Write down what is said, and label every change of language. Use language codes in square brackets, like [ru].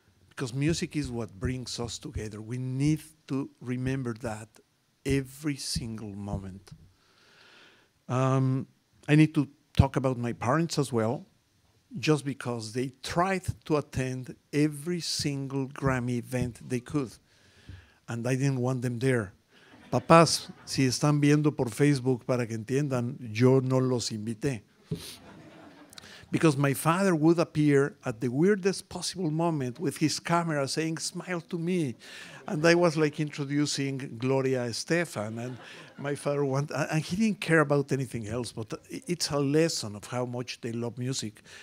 [en] Because music is what brings us together. We need to remember that every single moment. I need to talk about my parents as well, just because they tried to attend every single Grammy event they could. And I didn't want them there. [es] Papás, si están viendo por Facebook para que entiendan, yo no los invité. [en] Because my father would appear at the weirdest possible moment with his camera saying, smile to me. And I was like introducing Gloria Estefan, and my father wanted, and he didn't care about anything else, but it's a lesson of how much they love music.